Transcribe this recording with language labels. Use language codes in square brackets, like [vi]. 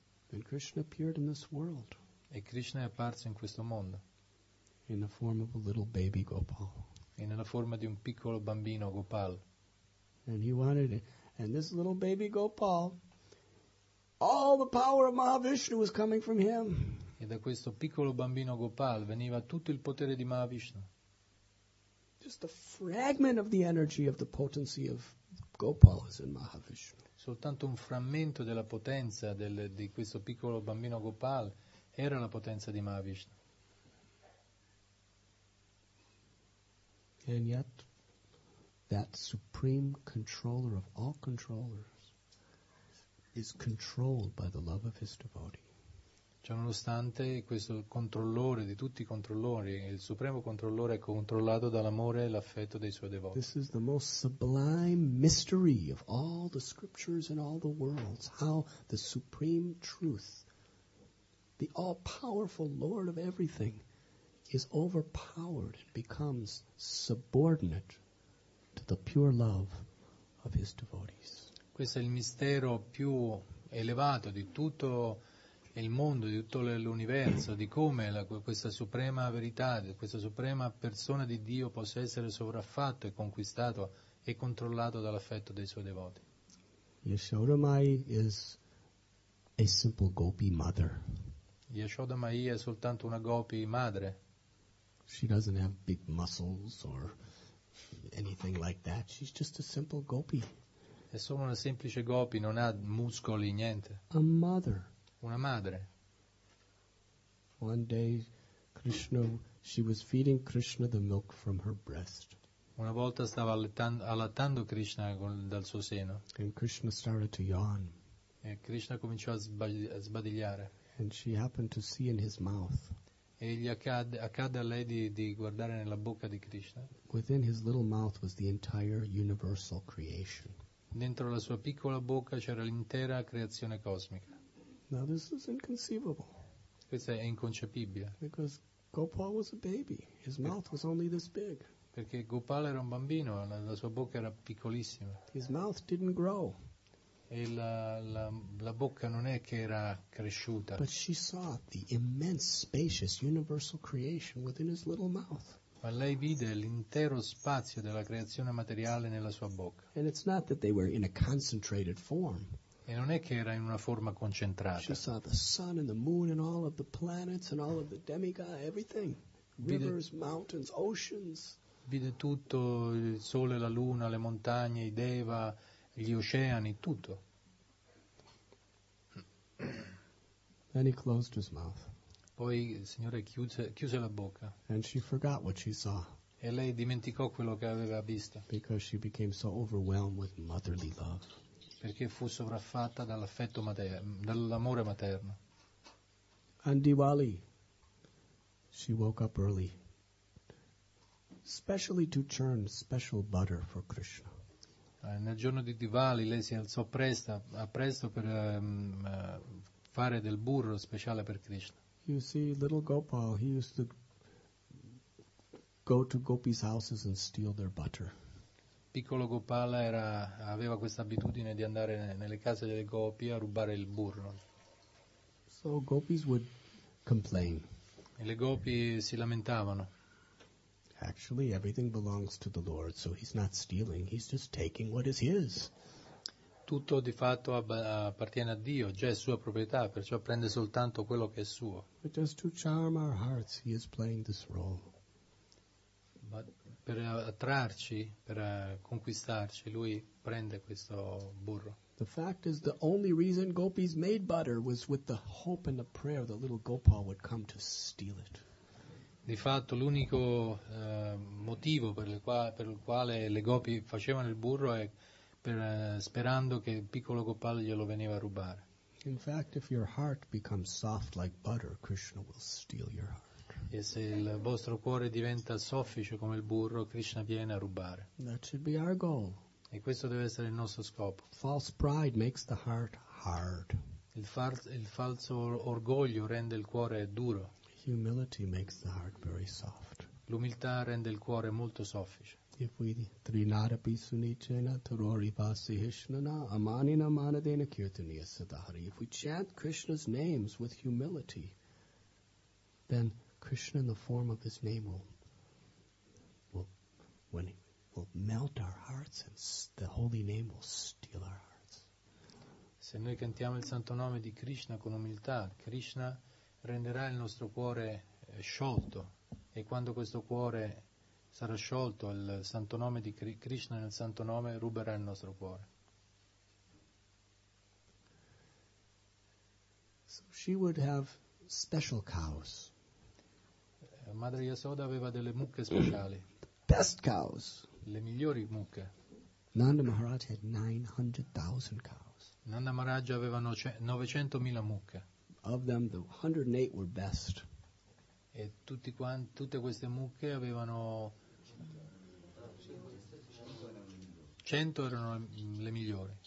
[en] And Krishna appeared in this world. [it] E Krishna è apparso in questo mondo. [en] In the form of a little baby Gopal. [it] E nella forma di un piccolo bambino Gopal. [en] And he wanted it. And this little baby Gopal, all the power of Mahavishnu was coming from him. [it] E da questo piccolo bambino Gopal veniva tutto il potere di Mahavishnu. [en] Just a fragment of the energy of the potency of Gopal is in Mahavishnu. [it] Soltanto un frammento della potenza di questo piccolo bambino Gopal era la potenza di Mahavishnu. [en] And yet, that supreme controller of all controllers is controlled by the love of his devotee. [it] Ciononostante, questo controllore di tutti i controllori, il supremo controllore, è controllato dall'amore e l'affetto dei suoi devoti. [en] This is the most sublime mystery of all the scriptures and all the worlds, how the supreme truth, the all-powerful Lord of everything, is overpowered and becomes subordinate to the pure love of his devotees. [it] Questo è il mistero più elevato di tutto il mondo, di tutto l'universo, di come questa suprema verità, questa suprema persona di Dio possa essere sovraffatto e conquistato e controllato dall'affetto dei suoi devoti. [en] Yashoda Mai is a simple gopi mother. [it] Yashoda Mai è soltanto una gopi madre. [en] She doesn't have big muscles or anything like that. She's just a simple gopi. [it] È solo una semplice gopi, non ha muscoli, niente. [en] A mother. [it] Una madre. [en] One day, Krishna, she was feeding Krishna the milk from her breast. [it] Una volta stava allattando Krishna dal suo seno. [en] And Krishna started to yawn. [it] E Krishna cominciò a sbadigliare. [en] And she happened to see in his mouth. [it] E gli accadde a lei di guardare nella bocca di Krishna. [en] Within his little mouth was the entire universal creation. [it] Dentro la sua piccola bocca c'era l'intera creazione cosmica. [en] Now this is inconceivable. [it] Questo è inconcepibile. [en] Because Gopal was a baby. His mouth was only this big. [it] Perché Gopal era un bambino, la sua bocca era piccolissima. [en] His mouth didn't grow. [it] E la bocca non è che era cresciuta. [en] But she saw the immense, spacious, universal creation within his little mouth. [it] Ma lei vide l'intero spazio della creazione materiale nella sua bocca. [en] And it's not that they were in a concentrated form. [it] E non è che era in una forma concentrata. [en] She saw the sun and the moon and all of the planets and all of the demigods, everything. Rivers, mountains, oceans. [it] Vide tutto, il sole, la luna, le montagne, i deva, gli oceani, tutto. [en] Then he closed his mouth. [it] Poi il Signore chiuse la bocca. [en] And she forgot what she saw. [it] E lei dimenticò quello che aveva visto. [en] Because she became so overwhelmed with motherly love. [it] Perché fu sovraffatta dall'affetto materno, dall'amore materno. [en] And Diwali, she woke up early, specially to churn special butter for Krishna. [it] Nel giorno di Diwali lei si alzò presto per fare del burro speciale per Krishna. [en] You see, little Gopal, he used to go to gopis' houses and steal their butter. [it] Piccolo Gopala aveva questa abitudine di andare nelle case delle gopi a rubare il burro. [en] So gopis would complain. [it] E le gopi si lamentavano. [en] Actually, everything belongs to the Lord, so he's not stealing, he's just taking what is his. [it] Tutto di fatto appartiene a Dio, già è sua proprietà, perciò prende soltanto quello che è suo. [en] But just to charm our hearts, he is playing this role. [it] Ma per attrarci, per conquistarci, lui prende questo burro. [en] The fact is the only reason gopis made butter was with the hope and the prayer that little Gopal would come to steal it. [it] Di fatto l'unico motivo per il quale le gopi facevano il burro è sperando che il piccolo Gopal glielo veniva a rubare. [en] In fact, if your heart becomes soft like butter, Krishna will steal your heart. [it] E se il vostro cuore diventa soffice come il burro, Krishna viene a rubare. [en] That should be our goal. [it] E questo deve essere il nostro scopo. [en] False pride makes the heart hard. [it] Il falso orgoglio rende il cuore duro. [en] Humility makes the heart very soft. [it] L'umiltà rende il cuore molto soffice. [en] If we [sa] trinarapi sunichena tarori vasi hishnana amanina manadena kirtaniya sadhari. [en] If we chant Krishna's names with humility, then Krishna in the form of his name will, when will melt our hearts and the holy name will steal our hearts. [it] Se noi cantiamo il santo nome di Krishna con umiltà, Krishna renderà il nostro cuore sciolto, e quando questo cuore sarà sciolto, il santo nome di Krishna nel santo nome ruberà il nostro cuore. [en] So she would have special cows. [it] Madre Yasoda aveva delle mucche speciali. [en] Best cows. [it] Le migliori mucche. [en] Nanda Maharaj had 900,000 cows. [it] Nanda Maharaj aveva 900,000 mucche. [en] Of them, the 108 were best. [it] E tutte queste mucche avevano 100 erano le migliori.